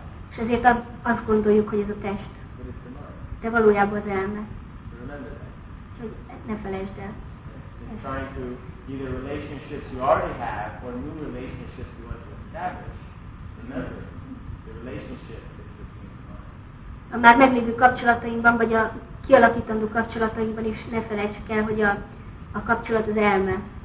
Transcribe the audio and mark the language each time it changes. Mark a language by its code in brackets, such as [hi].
[hu] És ezért azt gondoljuk, hogy ez a test. De valójában az elme. És hogy ne felejtsd el. [en] It's trying to either relationships you already have or new relationships you want to establish. Remember, the relationship is between the mind. [hu] A már meglévő kapcsolatainkban, vagy a kialakítandó kapcsolatainkban is ne felejtsük el, hogy a kapcsolat az elme.